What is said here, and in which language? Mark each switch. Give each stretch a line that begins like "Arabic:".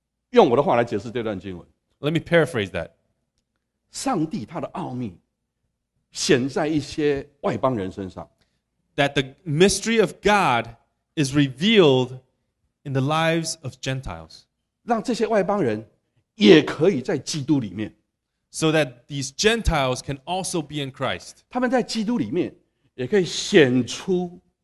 Chinese: 用我的话来解释这段经文。
English: Let me paraphrase that.
Chinese: 上帝他的奥秘显在一些外邦人身上。
English: That the mystery of God is revealed in the lives of Gentiles.
Chinese: 让这些外邦人也可以在基督里面。
English: So that these Gentiles can also be in Christ.
Chinese: 他们在基督里面也可以显出